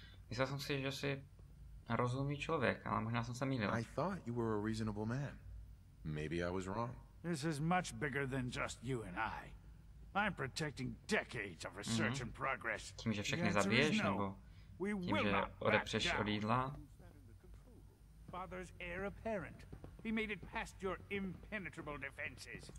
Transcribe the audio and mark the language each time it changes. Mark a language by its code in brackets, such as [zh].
[cs] Myslel jsem si, že jsi rozumný člověk, ale možná jsem se mýlil. [en] I thought you were a reasonable man. Maybe I was wrong. This is much bigger than just you and I. I'm protecting decades of research and progress. [cs] Tím, že všechny zabiješ, nebo tím, že odepřeš od jídla. [en] Father's heir apparent. He made it past your impenetrable defenses.